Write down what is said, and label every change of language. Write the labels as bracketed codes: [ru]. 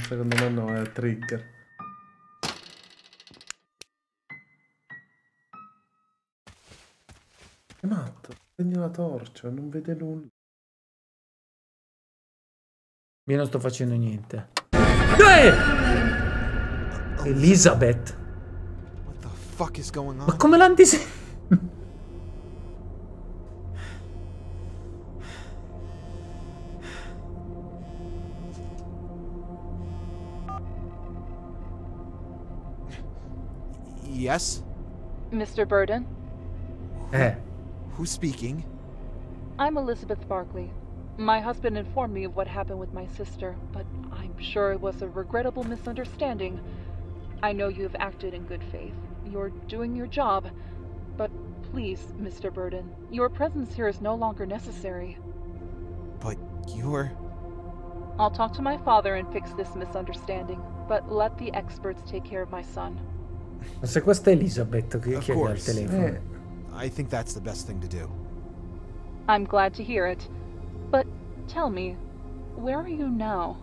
[it] Secondo me no, è il trigger. È matto, prendi la torcia, non vede nulla. Io non sto facendo niente. Elizabeth. [en] What the fuck is going on? [it] Ma come l'han disegnata? [en] Yes? Mr. Burden? Who's speaking? I'm Elizabeth Barkley. My husband informed me of what happened with my sister, but I'm sure it was a regrettable misunderstanding. I know you have acted in good faith. You're doing your job. But please, Mr. Burden, your presence here is no longer necessary. But you're... I'll talk to my father and fix this misunderstanding, but let the experts take care of my son. [it] Ma se questa è Elizabeth che chiede al telefono. [en] I think that's the best thing to do. I'm glad to hear it. But tell me, where are you now?